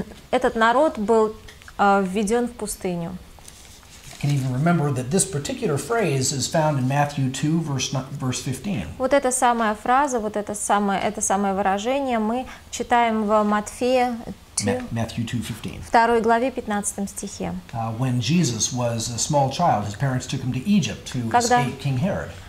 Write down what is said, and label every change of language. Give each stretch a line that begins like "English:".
Russian: Этот народ был введен в пустыню.
English: You can even remember that this particular phrase is found in Matthew 2, verse 15.
Russian: Вот эта самая фраза, вот это самое выражение мы читаем в Матфея 2,
English: Matthew 2, 15.
Russian: Второй главе, 15 стихе.
English: When Jesus was a small child, his parents took him to Egypt to escape King Herod.